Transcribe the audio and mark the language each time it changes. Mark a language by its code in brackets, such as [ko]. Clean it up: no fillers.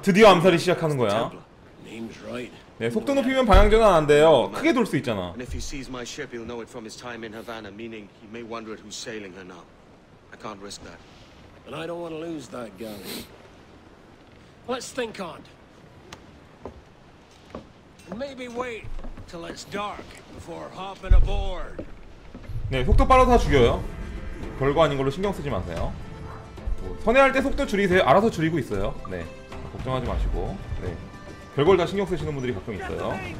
[ko] 드디어 암살이 시작하는 거야. 네, 속도 높이면 방향전환 안 돼요. 크게 돌 수 있잖아. [en] And if he sees my ship, he'll know it from his time in Havana, meaning he may wonder at who's sailing her now. I can't risk that. And I don't want to lose that galley. Let's think on it. Maybe wait till it's dark before hopping aboard. [ko] 네, 속도 빨라서 다 죽여요. 별거 아닌 걸로 신경 쓰지 마세요. 선회할 때 속도 줄이세요. 알아서 줄이고 있어요. 네, 걱정하지 마시고. 네. 별걸 다 신경 쓰시는 분들이 가끔 있어요.